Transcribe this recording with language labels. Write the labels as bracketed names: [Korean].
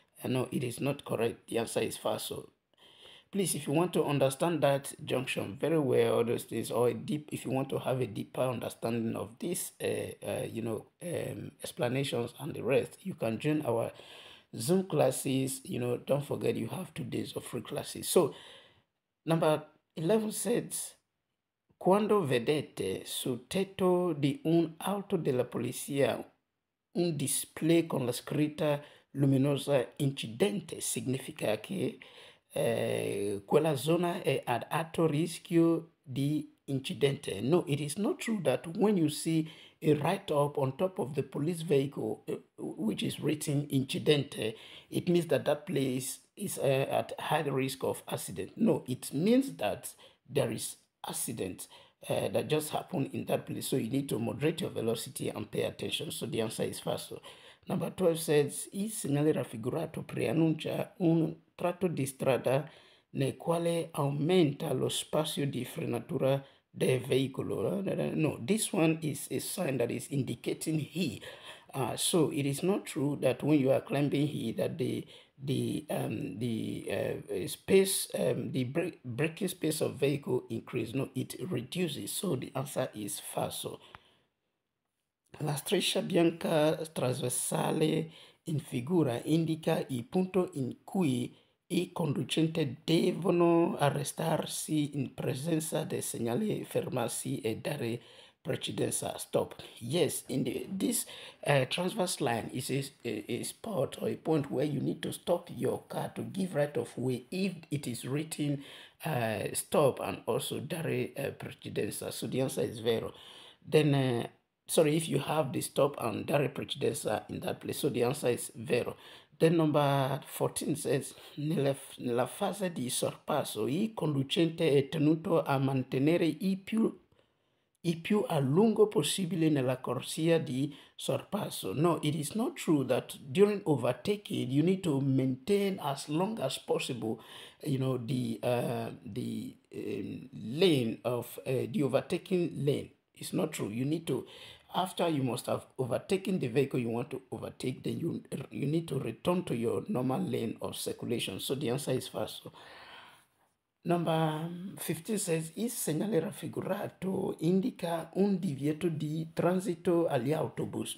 [English] No, it is not correct. The answer is far. So please, if you want to understand that junction very well, all those things, or a deep, if you want to have a deeper understanding of this, explanations and the rest, you can join our Zoom classes. You know, don't forget, you have 2 days of free classes. So number 11 says, [Italian] quando vedete sul tetto di un auto della polizia un display con la scritta luminosa incidente, significa che quella zona è ad alto rischio di incidente. [English] No, it is not true that when you see a write-up on top of the police vehicle which is written incidente, it means that that place is at high risk of accident. No, it means that there is accident that just happened in that place, so you need to moderate your velocity and pay attention. So the answer is faso. Number 12 says, [Italian] il segnale raffigurato preannuncia un tratto di strada nel quale aumenta lo spazio di frenatura del veicolo. [English] No, this one is a sign that is indicating here. So it is not true that when you are climbing here that the braking space of vehicle increase. No, it reduces. So the answer is falso. [Italian] La striscia bianca trasversale in figura indica il punto in cui i conducenti devono arrestarsi in presenza del segnale fermarsi e dare precedenza. [English] Stop. Yes, in this transverse line is a spot or a point where you need to stop your car to give right of way if it is written stop and also [Italian] dare precedenza. [English] So the answer is vero. Then if you have the stop and [Italian] dare precedenza [English] in that place, so the answer is vero. Then number 14 says, [Italian] nella fase di sorpasso il conducente è tenuto a mantenere il più a lungo possibile nella corsia di sorpasso. [English] No, it is not true that during overtaking you need to maintain as long as possible, you know, the overtaking lane. It's not true. You need to, after you must have overtaken the vehicle you want to overtake, then you need to return to your normal lane of circulation. So the answer is falso. Number 15 says, [Italian] il segnale raffigurato indica un divieto di transito agli autobus.